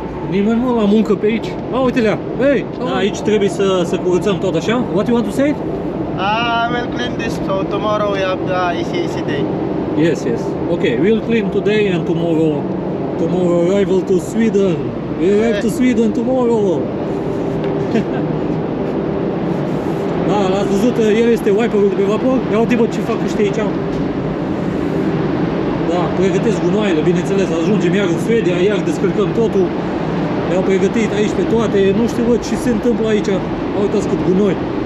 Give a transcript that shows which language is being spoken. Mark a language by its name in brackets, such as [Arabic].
[Romanian] Nimeni nu la muncă pe aici. Uite-le-a. Hey, da, aici trebuie să curățăm tot așa. [English] What you want to say? We'll clean this, so tomorrow we have the easy day. Yes, yes. Okay, we'll clean today and tomorrow. Tomorrow arrival to Sweden. We arrive to Sweden tomorrow. [Romanian] Da, l-ați văzut, el este wiperul de pe vapor. Ia uite, bă, ce fac ăștia aici. Da, pregătesc gunoaile, bineînțeles, ajungem iar în Suedia, iar descărcăm totul. Le-au pregătit aici pe toate, nu știu, bă, ce se întâmplă aici. Uitați cât gunoi.